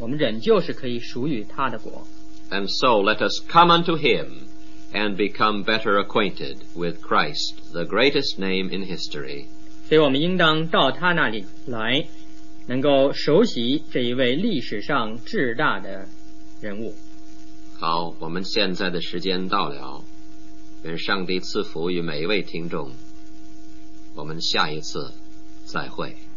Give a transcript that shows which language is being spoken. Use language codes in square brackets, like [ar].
[zh] 不论我们自己的国籍是怎么样，我们仍旧是可以属于他的国。 [en] And so let us come unto him and become better acquainted with Christ, the greatest name in history. [zh] 所以我们应当到他那里来，能够熟悉这一位历史上至大的人物。好，我们现在的时间到了，愿上帝赐福于每一位听众，我们下一次再会。